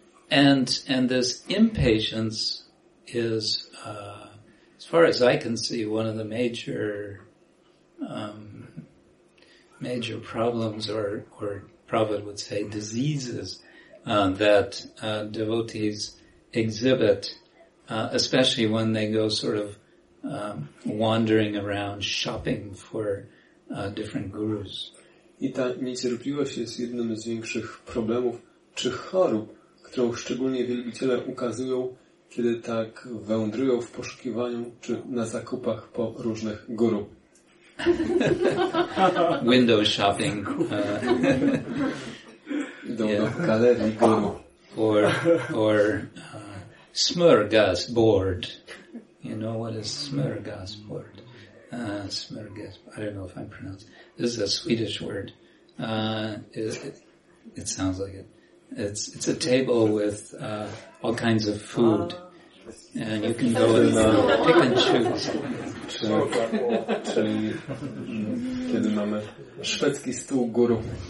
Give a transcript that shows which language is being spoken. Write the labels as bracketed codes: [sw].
[en] And this impatience is, as far as I can see, one of the major problems, or Prabhupada would say diseases, that devotees exhibit, especially when they go sort of wandering around shopping for different gurus. [pl] I ta niecierpliwość jest jednym z większych problemów czy chorób, którą szczególnie wielbiciele ukazują, kiedy tak wędrują w poszukiwaniu czy na zakupach po różnych guru. [en] Window shopping. [pl] Idą do galerii guru. [en] Or smörgåsbord. You know what is smörgåsbord? Smörgåsbord. I don't know if I'm pronouncing. This is a Swedish word. It sounds like it. It's a table with all kinds of food, and you can go and pick and choose. [pl] Czyli kiedy mamy szwedzki stół guru.